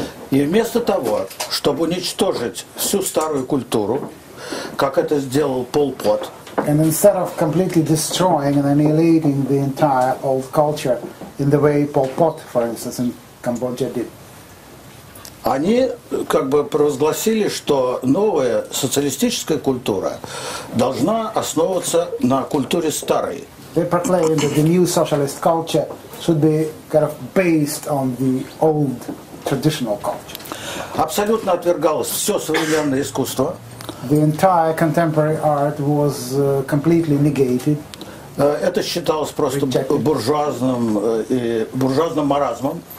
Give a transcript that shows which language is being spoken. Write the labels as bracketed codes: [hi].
[ru] И вместо того, чтобы уничтожить всю старую культуру, как это сделал Пол Пот, [en] and instead of completely destroying and annihilating the entire old culture in the way Pol Pot, for instance, in Cambodia did, [ru] они как бы провозгласили, что новая социалистическая культура должна основываться на культуре старой. [en] They proclaimed that the new socialist culture should be kind of based on the old traditional culture. [ru] Абсолютно отвергалось все современное искусство. [en] The entire contemporary art was completely negated. [ru] Это считалось просто буржуазным и буржуазным маразмом.